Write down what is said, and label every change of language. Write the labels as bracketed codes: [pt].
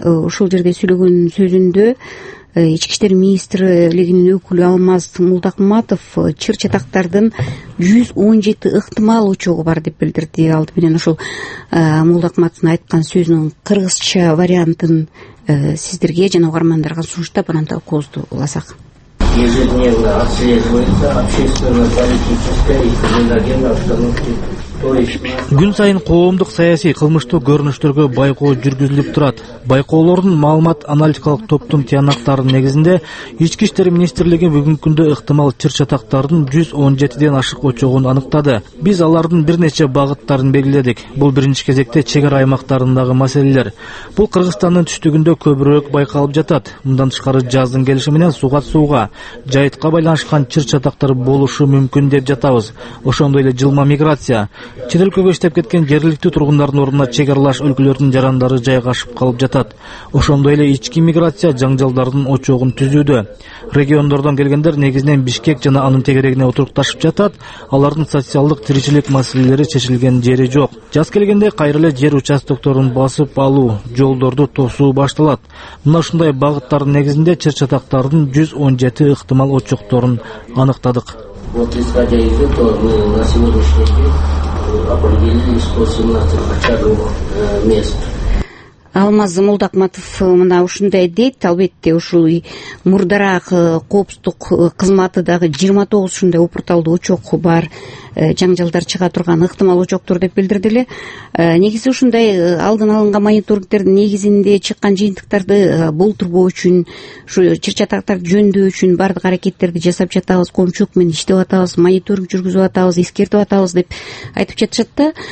[ky] Ушул жерде сүйлөгөн сөзүндө ички иштер министрлигинин өкүлү Алмаз Мулдакматов чыр чатактардын 117 ыктымал очогу бар деп билдирди. Алды менен ушул Мулдакматовдун айткан сөзүнүн кыргызча вариантын сиздерге жана угармандарга сунуштап анан талкуубузду уласак. [ru] Ежедневно отслеживается общественная политическая и криминогенная обстановка. [ky] Күн сайын коомдук саясий кылмыштуу көрүнүштөргө байкоо жүргүзүлүп турат. Байкоолордун маалымат аналитикалык топтун тыянактарынын негизинде ички иштер министрлиги бүгүнкү күндө ыктымал чыр чатактардын 117 ашык очогун аныктады. Биз алардын бир нече багыттарын белгиледик. Бул биринчи кезекте чек ара аймактарындагы маселелер. Бул Кыргызстандын түштүгүндө көбүрөөк байкалып жатат. Мындан тышкары жаздын келиши менен суга тууга жайытка байланышкан чыр чатактар болушу мүмкүн деп жатабыз. Ошондой эле жылма миграция чет өлкөгө иштеп кеткен жергиликтүү тургундардын ордуна чек аралаш өлкөлөрдүн жарандары жайгашып калып жатат. Ошондой эле ички миграция жаңжалдардын очогун түзүүдө. Региондордон келгендер негизинен Бишкек жана анын тегерегине отурукташып жатат. Алардын социалдык тиричилик маселелери чечилген жери жок. Жаз келгенде кайра эле жер участокторун басып алуу, жолдорду тосуу башталат. Мына ушундай багыттардын негизинде чыр чатактардын 117 ыктымал очокторун аныктадык. [ru] Вот исходя из этого мы на сегодняшний день определили 117 очаговых мест. [ky] Алмаз Мулдакматов мына ушундай дейт. Албетте, ушул мурдараак коопсуздук кызматы дагы 29 ушундай упурталдуу очок бар, жаңжалдар чыга турган ыктымал очоктор деп билдирди эле. Негизи ушундай алдын алынган мониторингдердин негизинде чыккан жыйынтыктарды болтурбоо үчүн, ушу чыр чатактарды жөндөө үчүн баардык аракеттерди жасап жатабыз, коомчулук менен иштеп атабыз, мониторинг жүргүзүп атабыз, эскертип атабыз деп айтып жатышат да.